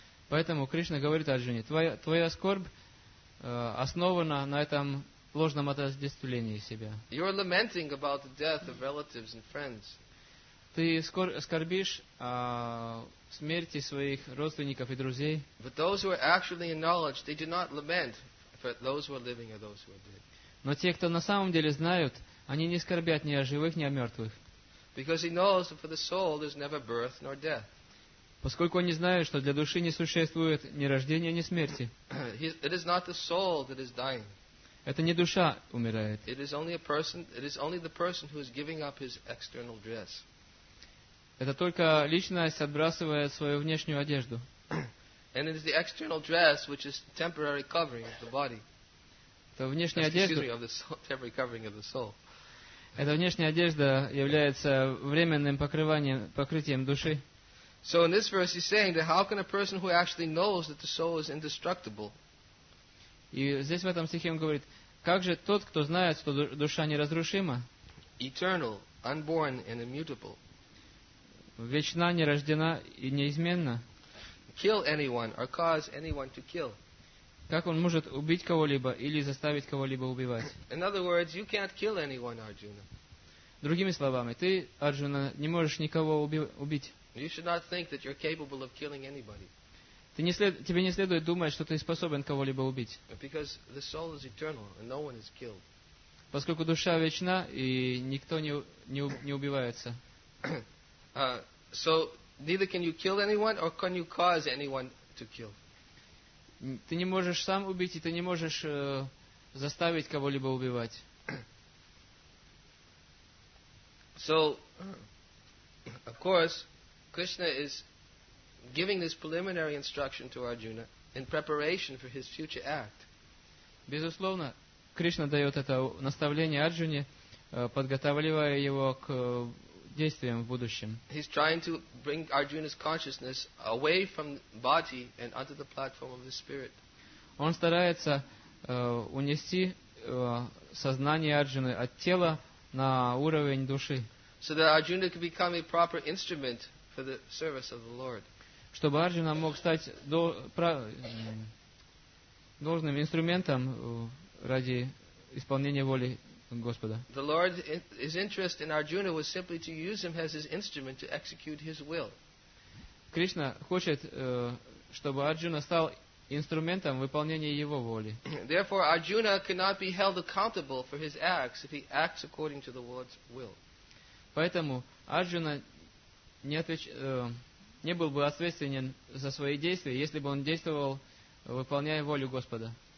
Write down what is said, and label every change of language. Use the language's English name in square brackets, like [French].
[Russian] Поэтому Кришна говорит Арджуне, твоя скорбь основана на этом ложном отождествлении себя. [English] You are lamenting about the death of relatives and friends. [Russian] Ты скорбишь о смерти своих родственников и друзей. [English] But those who are actually in knowledge, they do not lament for those who are living or those who are dead. [Russian] Но те, кто на самом деле знают, они не скорбят ни о живых, ни о мертвых. [English] Because he knows that for the soul there's never birth nor death. [Russian] Поскольку они знают, что для души не существует ни рождения, ни смерти. [English] It is not the soul that is dying. [Russian] Это не душа умирает. [English] It is only a person. It is only the person who is giving up his external dress. [Russian] Это только личность отбрасывает свою внешнюю одежду. [English] And it is the external dress which is temporary covering of the body. [Russian] Это внешняя одежда. [English] Excuse me, of the soul, temporary covering of the soul. [Russian] Эта внешняя одежда является временным покрытием души. [English] So in this verse he's saying that how can a person who actually knows that the soul is indestructible? [Russian] И здесь в этом стихе он говорит, как же тот, кто знает, что душа неразрушима? [English] Eternal, unborn and immutable. [Russian] Вечна, нерождена и неизменна. [English] Kill anyone or cause anyone to kill. [Russian] Как он может убить кого-либо или заставить кого-либо убивать? [English] In other words, you can't kill anyone, Arjuna. [Russian] Другими словами, ты, Арджуна, не можешь никого убить. [English] You should not think that you're capable of killing anybody. [Russian] Тебе не следует думать, что ты способен кого-либо убить. [English] Because the soul is eternal and no one is killed. [Russian] Поскольку душа вечна и никто не убивается. [English] So neither can you kill anyone or can you cause anyone to kill. [Russian] Ты не можешь сам убить, и ты не можешь заставить кого-либо убивать. [English] So, of course, Krishna is giving this preliminary instruction to Arjuna in preparation for his future act. [Russian] Безусловно, Кришна дает это наставление Арджуне, подготавливая его к действиям в будущем. [English] He's trying to bring Arjuna's consciousness away from body and onto the platform of the spirit. [Russian] Он старается унести сознание Арджуны от тела на уровень души. [English] So that Arjuna can become a proper instrument for the service of the Lord. [Russian] Чтобы Арджуна мог стать должным инструментом ради исполнения воли Господа. [English] The Lord, his interest in Arjuna was simply to use him as his instrument to execute his will. [Russian] Кришна хочет, чтобы Арджуна стал инструментом выполнения его воли. [English] Therefore, Arjuna cannot be held accountable for his acts if he acts according to the Lord's will. [Russian] Поэтому Арджуна не был бы ответственен за свои действия, если бы он действовал, выполняя волю Господа.